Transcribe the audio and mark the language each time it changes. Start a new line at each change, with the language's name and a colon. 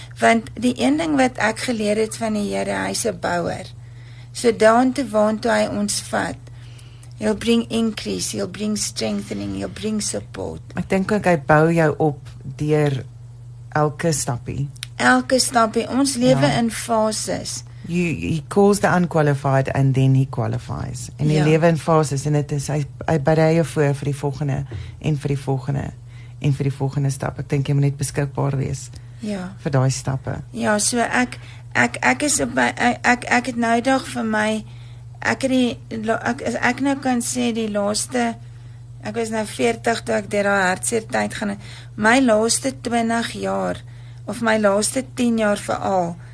Afrikaans: Want die een ding wat ek geleer het van die Here, hy is 'n bouer.
English: So down to
Afrikaans: waar toe hy ons vat,
English: he'll bring increase, he'll bring strengthening, he'll bring support.
Afrikaans: Ek dink ook hy bou jou op deur elke stappie. Elke stappie. Ons lewe ja. In fases.
English: He calls the unqualified and then he qualifies.
Afrikaans: En die lewe in fases en dit is hy berei jou voor vir die volgende en vir die volgende en vir die volgende stap. Ek dink jy moet net beskikbaar wees. Ja. Vir daai stappe. Ja, so ek is op my ek het nou dag vir my ek nou kan sê die laaste ek was nou 40 toe ek deur daai hartseer tyd gaan my laaste 20 jaar of my laaste 10 jaar veral.